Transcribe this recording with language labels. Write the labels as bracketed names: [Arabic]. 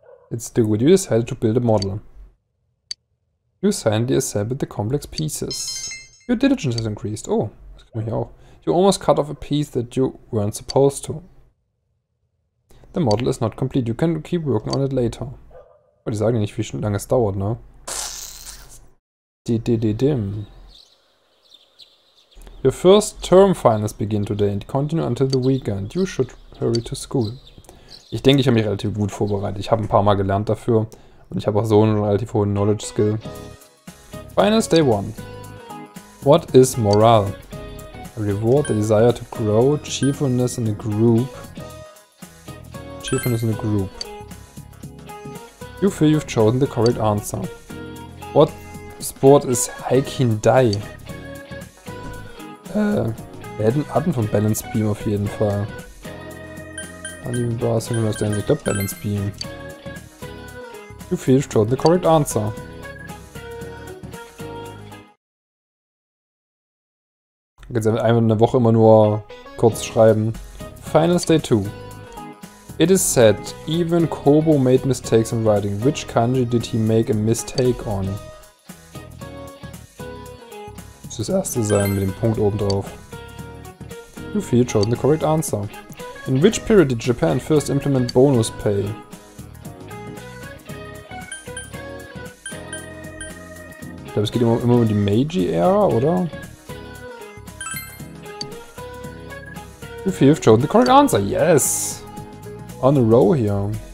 [English] It's the good. You decided to build a model. You silently assembled the complex pieces. Your diligence has increased. [German] Oh, das kann man hier auch. [English] You almost cut off a piece that you weren't supposed to. The model is not complete. You can keep working on it later. [German] Oh, die sagen ja nicht, wie lange es dauert, ne? Dim. [English] Your first term finals begin today and continue until the weekend. You should hurry to school. [German] Ich denke, ich habe mich relativ gut vorbereitet. Ich habe ein paar Mal gelernt dafür. Und ich habe auch so einen relativ hohen Knowledge Skill. [English] Finals day one. What is morale? A reward, the desire to grow, cheerfulness in a group. Cheerfulness in a group. You feel you've chosen the correct answer. What sport is Haikindai? [German] Wir hatten von Balance Beam auf jeden Fall. Ich glaube Balance Beam. [English] You feel you've chosen the correct answer. [German] Jetzt einfach eine Woche immer nur kurz schreiben. [English] Finals Day 2. It is said, even Kobo made mistakes in writing. Which kanji did he make a mistake on? [German] Muss das erste sein mit dem Punkt oben drauf. [English] You feel you've chosen the correct answer. In which period did Japan first implement bonus pay? [German] Ich glaube, es geht immer um die Meiji-Ära, oder? [English] You feel you've chosen the correct answer. Yes! On a row here.